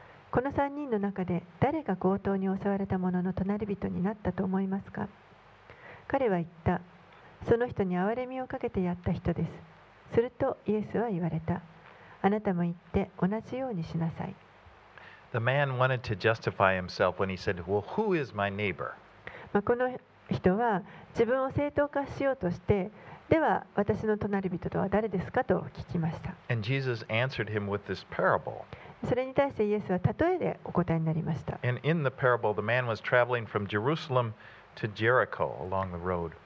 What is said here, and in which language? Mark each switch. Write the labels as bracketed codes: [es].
[ja] この3人の中で誰が強盗に襲われた者の隣人になったと思いますか？彼は言った。その人に憐れみをかけてやった人です。するとイエスは言われた。あなたも言って同じようにしなさい。 [en] The man wanted to justify himself when he said, well, who is my neighbor? [ja] この人は自分を正当化しようとして、では私の隣人とは誰ですかと聞きました。 [en] And Jesus answered him with this parable. [ja] それに対してイエスは例えでお答えになりました。 [en] And in the parable, the man was traveling from Jerusalem to Jericho along the road.